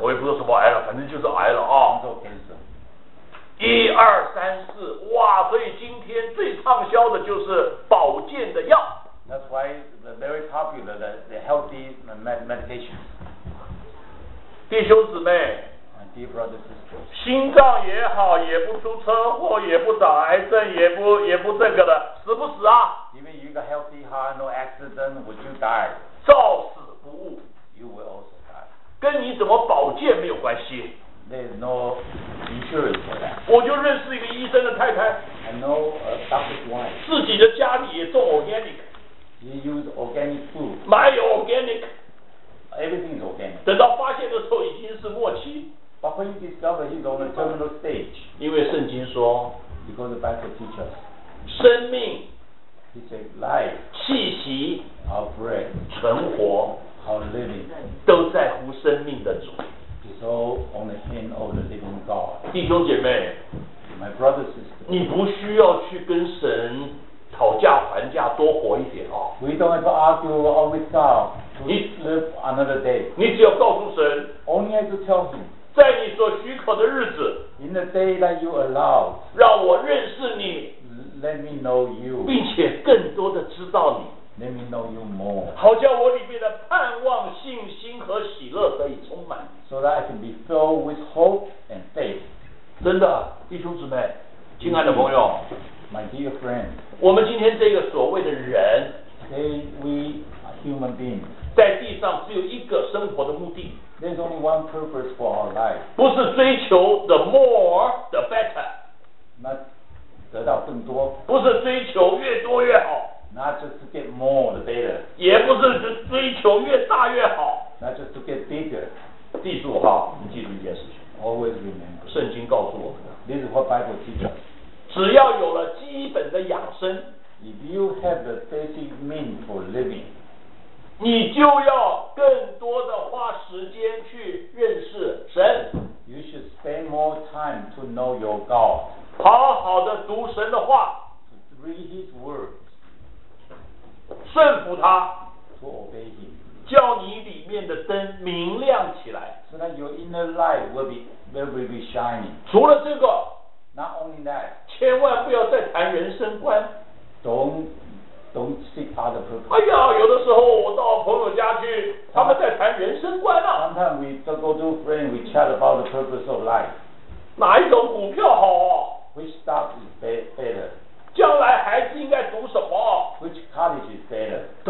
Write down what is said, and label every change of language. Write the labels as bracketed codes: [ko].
[zh] 我也不知道什么癌了反正就是癌了啊 [en] cancer [zh] 一二三四哇所以今天最畅销的就是保健的药 [en] that's why the very popular the healthy medication [zh] 弟兄姊妹 [en] and dear brothers and sisters [zh] 心脏也好也不出车祸也不长癌症也不这个的死不死啊 [en] Even you got healthy heart, no accident, would you die? [zh] 照死不误 [en] You will also die. [zh] 跟你怎么保健没有关系 [en] There is no insurance for that. [zh] 我就认识一个医生的太太 [en] I know a doctor's wife. [zh] 自己的家里也种 organic. [en] He use organic food. [zh] 买 organic. [en] Everything is organic. [zh] 等到发现的时候已经是末期 [en] But when you discover he's on a terminal stage. [zh] 因为圣经说 [en] Because the Bible teaches. [zh] 生命 [en] It's a life [zh] 气息 [en] Our breath [zh] 存活 [en] Our living [zh] 都在乎生命的主 [en] It's all on the hand of the living God [zh] 弟兄姐妹 [en] My brother sister [zh] 你不需要去跟神讨价还价多活一点啊 [en] We don't have to argue or with God to live another day [zh] 你只要告诉神 [en] Only have to tell him [zh] 在你所许可的日子 [en] In the day that you allowed [zh] 让我认识你 [en] Let me know you. [zh] 并且更多的知道你。 [en] Let me know you more. [zh] 好叫我里面的盼望、信心和喜乐可以充满。 [en] So that I can be filled with hope and faith. [zh] 真的，弟兄姊妹，亲爱的朋友 [en] ，My dear friend， [zh] 我们今天这个所谓的人 [en] ，Today we are human beings， [zh] 在地上只有一个生活的目的。 [en] There's only one purpose for our life. [zh] 不是追求 [en] the more the better. Not. [zh] 得到更多不是追求越多越好 [en] not just to get more the better [zh] 也不是追求越大越好 [en] not just to get bigger [zh] 记住哈你记住一件事情 [en] always remember [zh] 圣经告诉我们的 [en] this is what Bible teaches [zh] 只要有了基本的养生 [en] if you have the basic mean for living [zh] 你就要更多的花时间去认识神 [en] you should spend more time to know your God [zh] 好好的读神的话 [en] read his words [zh] 顺服他 [en] to obey him [zh] 叫你里面的灯明亮起来 [en] so that your inner light will be shining [zh] 除了这个 [en] not only that [zh] 千万不要再谈人生观 [en] don't seek other purpose [zh] 哎呀有的时候我到朋友家去他们在谈人生观啊 [en] sometimes we don't go to friends we chat about the purpose of life [zh] 哪一种股票好啊 [en] Which stock is better? [zh] 将来孩子应该读什么 [en] Which college is better?